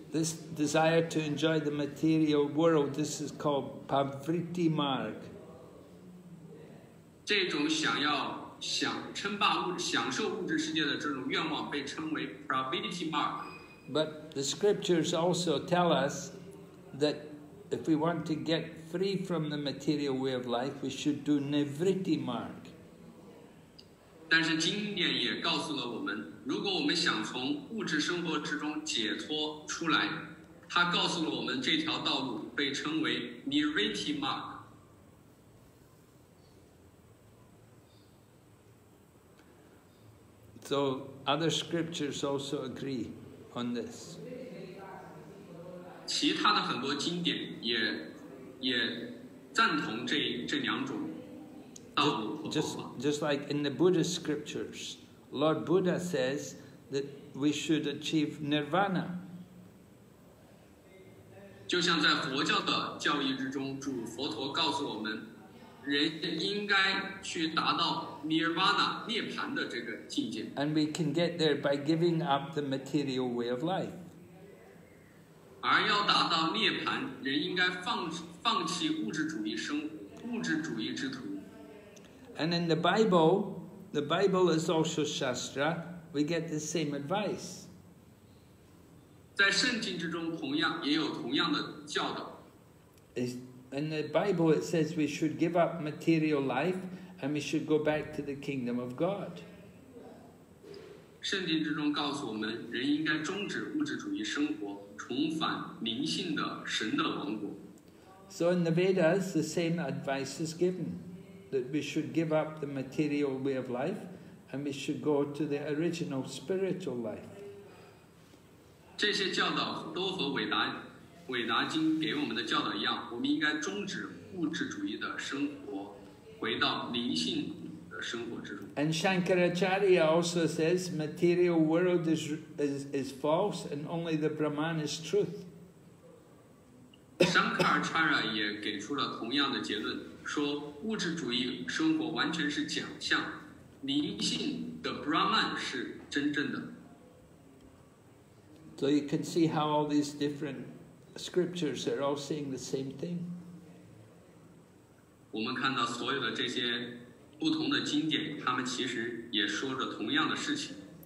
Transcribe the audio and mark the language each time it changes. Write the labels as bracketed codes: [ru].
[en] This desire to enjoy the material world, this is called pavritti marg. [zh] 这种享受物质世界的这种愿望被称为 pavritti marg. [en] But the scriptures also tell us that if we want to get free from the material way of life, we should do nivritti marg. [zh] 但是经典也告诉了我们如果我们想从物质生活之中解脱出来，他告诉了我们这条道路被称为 Nirvriti Marg。 [en] So other scriptures also agree on this. [zh] 其他的很多经典也赞同这两种道路和方法。 [en] Just like in the Buddhist scriptures. Lord Buddha says that we should achieve nirvana. [zh] 就像在佛教的教义之中，主佛陀告诉我们，人应该去达到 nirvana 涅槃的这个境界。 [en] And we can get there by giving up the material way of life. [zh] 而要达到涅槃，人应该放弃物质主义生物质主义之途。 [en] And in the Bible. The Bible is also Shastra. We get the same advice. [zh] 在圣经之中同样也有同样的教导。 [en] In the Bible it says we should give up material life and we should go back to the kingdom of God. [zh] 圣经之中告诉我们人应该终止物质主义生活重返灵性的神的王国。 [en] So in the Vedas the same advice is given. That we should give up the material way of life and we should go to the original spiritual life. [zh] 这些教导都和伟达经给我们的教导一样，我们应该终止物质主义的生活，回到灵性的生活之中。 [en] And Shankaracharya also says, material world is false and only the Brahman is truth. [zh] Shankaracharya 也给出了同样的结论，说物质主义生活完全是假象，灵性的 Brahman 是真正的。 [en] So you can see how all these different scriptures are all saying the same thing. [zh] 我们看到所有的这些不同的经典，他们其实也说着同样的事情。